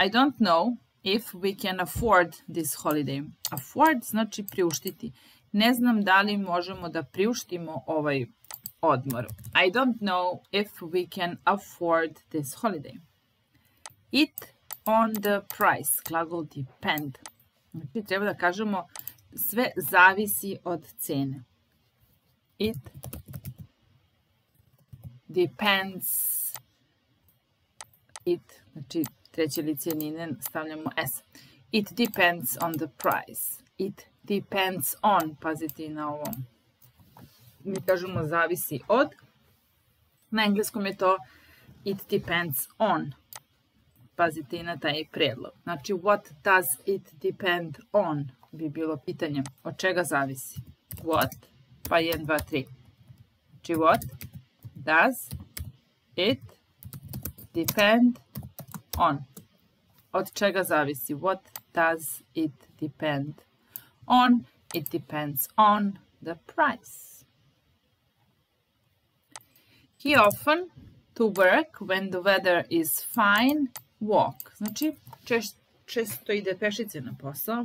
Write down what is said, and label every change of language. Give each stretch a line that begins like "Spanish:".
English: I don't know if we can afford this holiday.
Serbian: Afford znači priuštiti. Ne znam da li možemo da priuštimo ovaj odmor.
English: I don't know if we can afford this holiday. It on the price. Glagol depend.
Serbian: Znači, treba da kažemo, sve zavisi od cene.
English: It depends.
Serbian: It, znači treće lice nine, stavljamo s.
English: It depends on the price. It depends on,
Serbian: pazite na ovo. Mi kažemo zavisi od. Na engleskom je to
English: it depends on.
Serbian: Pazite na taj predlog.
English: Znači, what does it depend on?
Serbian: Bi bilo pitanje, od čega zavisi?
English: What? Pa 1, 2, 3. Znači, what does it depend on?
Serbian: Od čega zavisi?
English: What does it depend on? It depends on the price. He often to work when the weather is fine, walk.
Serbian: Znači, često ide pešice na posao.